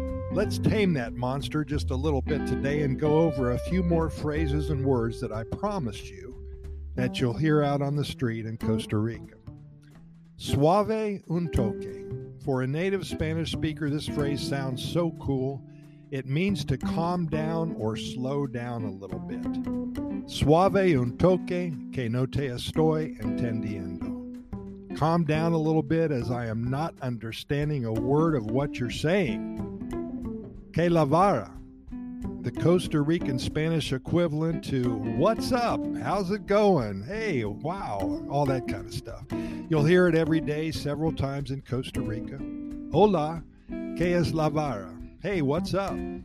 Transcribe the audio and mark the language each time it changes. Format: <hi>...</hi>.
<en>Let's tame that monster just a little bit today and go over a few more phrases and words that I promised you that you'll hear out on the street in Costa Rica.</en> <es>Suave un toque.</es> <en>For a native Spanish speaker, this phrase sounds so cool. It means to calm down or slow down a little bit.</en> <es>Suave un toque que no te estoy entendiendo.</es> <en>Calm down a little bit as I am not understanding a word of what you're saying.</en> <es>Que la vara,</es> <en>the Costa Rican Spanish equivalent to what's up, how's it going, hey, wow, all that kind of stuff. You'll hear it every day several times in Costa Rica.</en> <es>Hola, que es la vara,</es> <en>hey, what's up.</en>